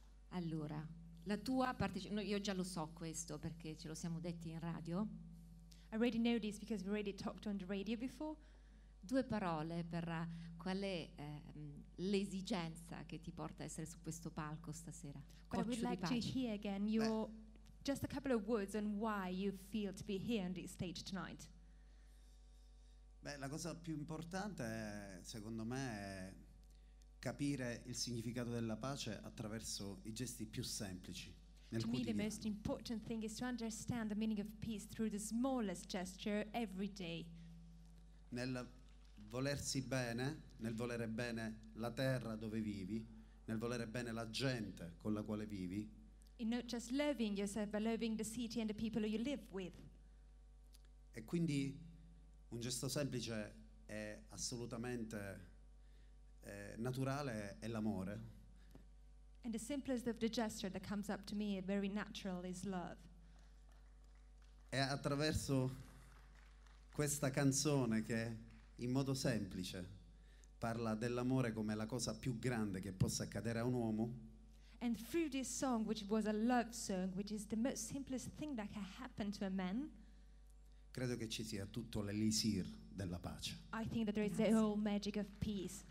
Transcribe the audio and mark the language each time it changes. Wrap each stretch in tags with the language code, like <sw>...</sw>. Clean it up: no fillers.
<it>Allora, la tua partecipazione, io già lo so questo perché ce lo siamo detti in radio.</it> <en>I already know this because we already talked on the radio before.</en> <it>Due parole per qual è l'esigenza che ti porta a essere su questo palco stasera.</it> <en>What I would like to hear again, your... just a couple of words on why you feel to be here on this stage tonight.</en> <it>Beh, la cosa più importante è, secondo me, è capire il significato della pace attraverso i gesti più semplici. nel quotidiano.</it> <en>To me, the most important thing is to understand the meaning of peace through the smallest gesture every day.</en> <it>Nel volersi bene, nel volere bene la terra dove vivi, nel volere bene la gente con la quale vivi.</it> <en>In not just loving yourself, but loving the city and the people you live with.</en> <it>E quindi un gesto semplice è assolutamente naturale è l'amore.</it> <en>And the simplest of the gesture that comes up to me very natural is love.</en> <it>È attraverso questa canzone che in modo semplice parla dell'amore come la cosa più grande che possa accadere a un uomo.</it> <en>And through this song, which was a love song, which is the most simplest thing that can happen to a man,</en> <it>credo che ci sia tutto l'elisir della pace.</it> <en>I think that there is the whole magic of peace.</en>